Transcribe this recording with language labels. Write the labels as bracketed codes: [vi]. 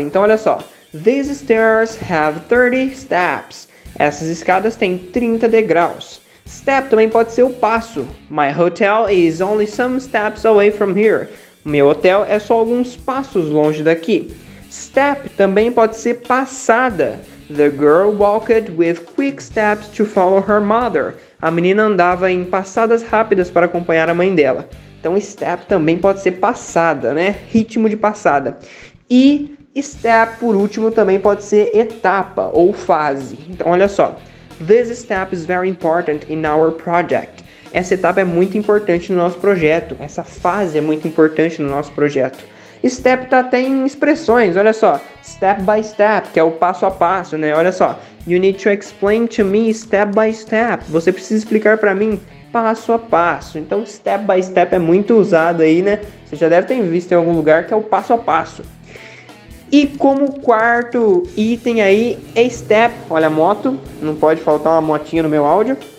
[pt] Então, olha só. [en] These stairs have 30 steps. [pt] Essas escadas têm 30 degraus. Step também pode ser o passo. [en] My hotel is only some steps away from here. [pt] Meu hotel é só alguns passos longe daqui. Step também pode ser passada. [en] The girl walked with quick steps to follow her mother. [pt] A menina andava em passadas rápidas para acompanhar a mãe dela. Então step também pode ser passada, né? Ritmo de passada. E step, por último, também pode ser etapa ou fase. Então olha só. [en] This step is very important in our project. [pt] Essa etapa é muito importante no nosso projeto. Essa fase é muito importante no nosso projeto. Step tá até em expressões, olha só. [en] Step by step, [pt] que é o passo a passo, né? Olha só. [en] You need to explain to me step by step. [pt] Você precisa explicar para mim passo a passo. Então, [en] step by step [pt] é muito usado aí, né? Você já deve ter visto em algum lugar que é o passo a passo. E como quarto item aí é step, olha a moto, não pode faltar uma motinha no meu áudio.